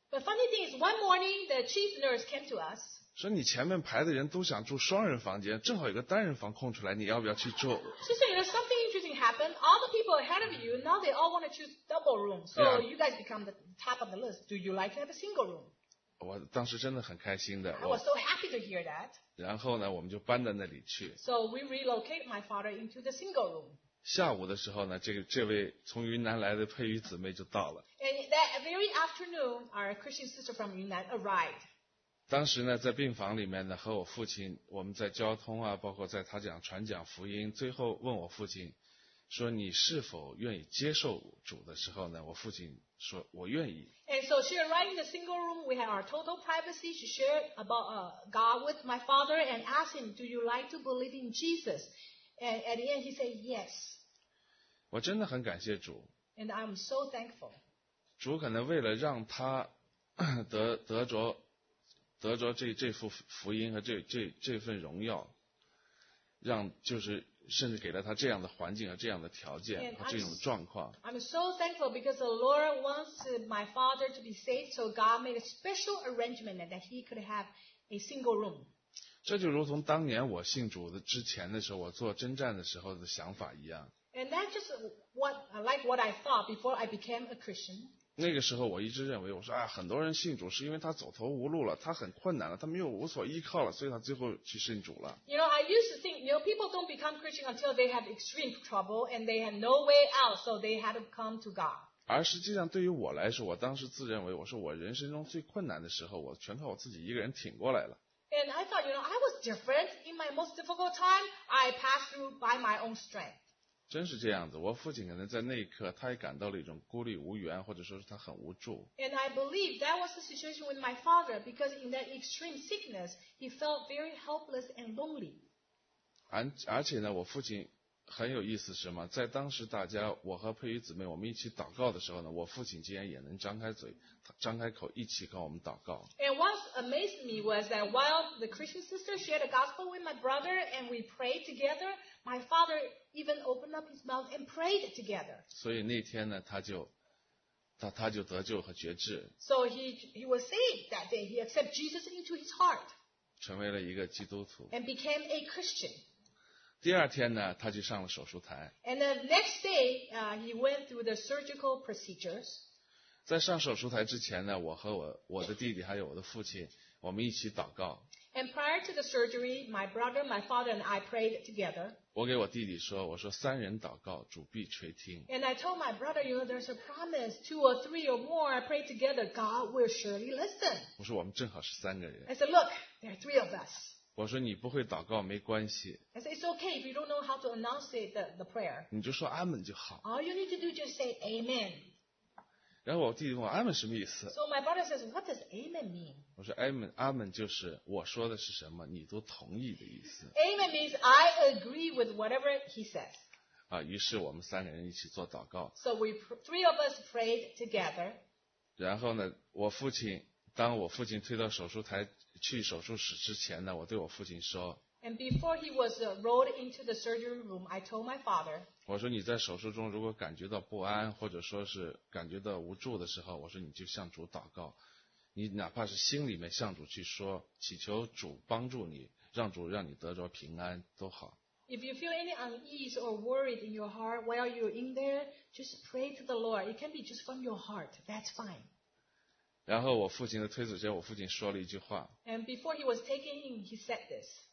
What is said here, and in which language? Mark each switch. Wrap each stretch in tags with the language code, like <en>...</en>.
<en>But funny thing is, one morning the chief nurse came to us.</en> <zh>说你前面排的人都想住双人房间，正好有个单人房空出来，你要不要去住？</zh> <en>She said, you know, something interesting happened. All the people ahead of you now they all want to choose double room, so you guys become the top of the list. Do you like to have a single room?</en> <zh>我当时真的很开心的。</zh> <en>I was so happy to hear that.</en> <zh>然后呢，我们就搬到那里去。</zh> <en>So we relocate my father into the single room.</en> <zh>下午的时候呢，这位从云南来的佩瑜姊妹就到了。</zh> <en>And that very afternoon, our Christian sister from Yunnan arrived.</en> <zh>当时呢，在病房里面呢，和我父亲，我们在交通啊，包括在他讲传讲福音，最后问我父亲说：“你是否愿意接受主？” 的时候呢，我父亲。说我愿意。</zh> <en>And so she arrived in the single room. We had our total privacy. She shared about God with my father and asked him, "Do you like to believe in Jesus?" And at the end, he said, "Yes."</en> <zh>我真的很感谢主。</zh> <en>And I'm so thankful.</en> <zh>主可能为了让他得着这幅福音和这份荣耀，让就是。甚至给了他这样的环境和这样的条件和这种状况。</zh> <en>I'm so thankful because the Lord wants my father to be saved, so God made a special arrangement that he could have a single room.</en> <zh>这就如同当年我信主的之前的时候，我做征战的时候的想法一样。</zh> <en>And that's just what I thought before I became a Christian.</en> <zh>那个时候我一直认为，我说啊，很多人信主是因为他走投无路了，他很困难了，他没有无所依靠了，所以他最后去信主了。</zh> <en>You know, I used to think. You know, people don't become Christian until they have extreme trouble and they have no way out, so they had to come to God.</en> <zh>而实际上，对于我来说，我当时自认为，我说我人生中最困难的时候，我全靠我自己一个人挺过来了。</zh> <en>And I thought, you know, I was different. In my most difficult time, I passed through by my own strength.</en> <zh>真是这样子，我父亲可能在那一刻，他也感到了一种孤立无援，或者说是他很无助。</zh> <en>And I believe that was the situation with my father because in that extreme sickness, he felt very helpless and lonely.</en> <zh>而且呢，我父亲很有意思，是吗？在当时大家我和佩瑜姊妹我们一起祷告的时候呢，我父亲竟然也能张开嘴，张开口一起跟我们祷告。</zh> <en>And what amazed me was that while the Christian sister shared the gospel with my brother and we prayed together, my father even opened up his mouth and prayed together.</en> <zh>所以那天呢，他就得救和觉知。</zh> <en>So he was saved that day. He accepted Jesus into his heart.</en> <zh>成为了一个基督徒。</zh> <en>And became a Christian.</en> <zh>第二天呢，他去上了手术台。</zh> <en>And the next day, he went through the surgical procedures.</en> <zh>在上手术台之前呢，我和我的弟弟还有我的父亲，我们一起祷告。</zh> <en>And prior to the surgery, my brother, my father, and I prayed together.</en> <zh>我给我弟弟说，我说三人祷告，主必垂听。</zh> <en>And I told my brother, you know, there's a promise, two or three or more, I pray together, God will surely listen.</en> <zh>我说我们正好是三个人。</zh> <en>I said, look, there are three of us.</en> <zh>我说你不会祷告没关系。</zh> <en>I said it's okay if you don't know how to announce the prayer.</en> <zh>你就说阿门就好。</zh> <en>All you need to do is just say amen.</en> <zh>然后我弟弟问我阿门什么意思</zh> <en>？So my brother says, what does amen mean?</en> <zh>我说阿门就是我说的是什么你都同意的意思。</zh> <en>Amen means I agree with whatever he says.</en> <zh>啊，于是我们三个人一起做祷告。</zh> <en>So we three of us prayed together.</en> <zh>然后呢，我父亲。当我父亲推到手术台去手术室之前呢，我对我父亲说</zh> <en>，And before he was rolled into the surgery room, I told my father，</en> <zh>我说你在手术中如果感觉到不安或者说是感觉到无助的时候，我说你就向主祷告，你哪怕是心里面向主去说，祈求主帮助你，让主让你得着平安都好。</zh> <en>If you feel any unease or worried in your heart while you're in there, just pray to the Lord. It can be just from your heart. That's fine.</en> <zh>然后我父亲的推走前，我父亲说了一句话。</zh> <en>And before he was taken in, he said this.</en>